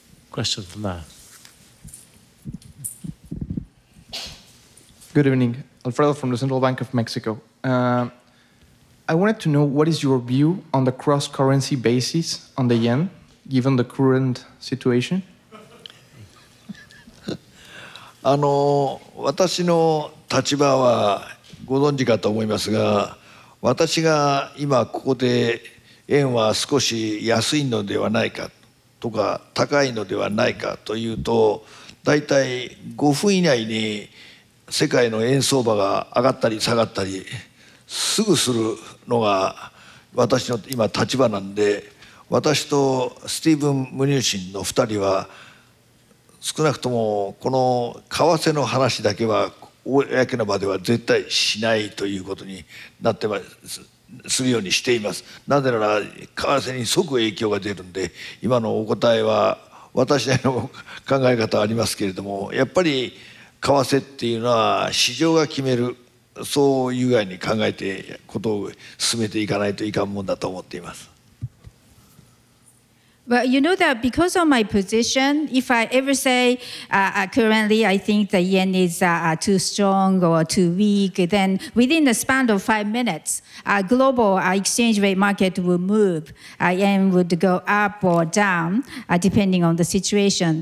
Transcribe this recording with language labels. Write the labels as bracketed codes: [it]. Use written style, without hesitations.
[en] Question from there. Good evening. Alfredo from the Central Bank of Mexico. I wanted to know what is your view on the cross-currency basis on the yen given the current situation? [ja] あの、私の立場はご存知かと思いますが、私が今ここで円は少し安いのではないかとか高いのではないかというと、だいたい5分以内に世界の円相場が上がったり下がったりすぐするのが私の今立場なんで、私とスティーブン・ムニューシンの2人は少なくともこの為替の話だけは公の場では絶対しないということになってます、するようにしています。なぜなら為替に即影響が出るんで。今のお答えは私の考え方はありますけれども、やっぱり為替っていうのは市場が決める、そういうふうに考えてことを進めていかないといかんもんだと思っています。 [en] Well, you know that because of my position, if I ever say currently I think the yen is too strong or too weak, then within the span of 5 minutes, global exchange rate market will move. Yen would go up or down depending on the situation.